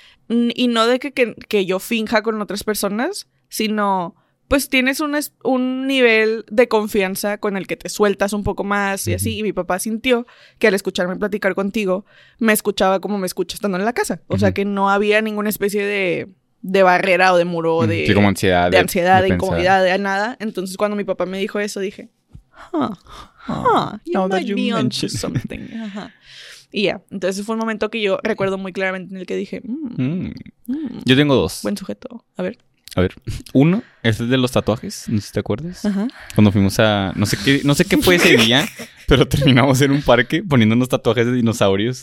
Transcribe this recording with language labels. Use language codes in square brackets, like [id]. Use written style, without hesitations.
[es] Y no de que yo finja con otras personas, sino pues tienes un nivel de confianza con el que te sueltas un poco más y así. Y mi papá sintió que al escucharme platicar contigo, me escuchaba como me escucha estando en la casa. O sea, que no había ninguna especie de barrera o de muro de... Sí, como ansiedad. De ansiedad, de incomodidad, de nada. Entonces, cuando mi papá me dijo eso, dije... [en] Now that you mention something. [es] Ajá. Y ya. Entonces, fue un momento que yo recuerdo muy claramente en el que dije... Yo tengo dos. Buen sujeto. A ver. A ver. Uno, es el de los tatuajes. No sé si te acuerdas. Ajá. Cuando fuimos a... No sé qué fue ese día, pero terminamos en un parque poniendo unos tatuajes de dinosaurios.